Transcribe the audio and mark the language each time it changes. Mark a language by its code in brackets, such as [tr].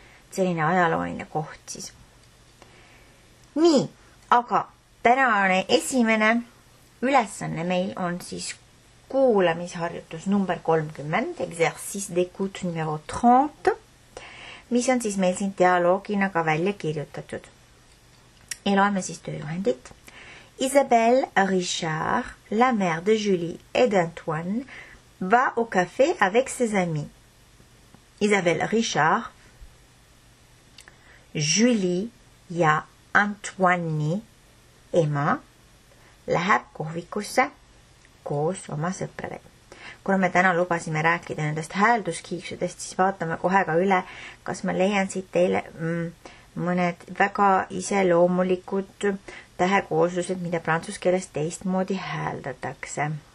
[et] Selline ajalooline koht siis. Nii, aga tänane esimene ülesanne meil on siis kuulemisharjutus number 30, [fr] exercice d'écoute numero 30, [et] mis on siis meil siin dialoogina ka välja kirjutatud. Ja loeme siis tööjuhendit. [fr] Isabelle, Richard, la mère de Julie et d'Antoine va au café avec ses amis. [et] Isabelle, Richard, Julie ja Antoine, ema, läheb kohvikusse koos oma sõpradega. Kuna me täna lubasime rääkida nendest häälduskiiksudest, siis vaatame kohe ka üle, kas ma leian siit teile mõned väga iseloomulikud tähekooslused, mida prantsuskeeles teistmoodi hääldatakse.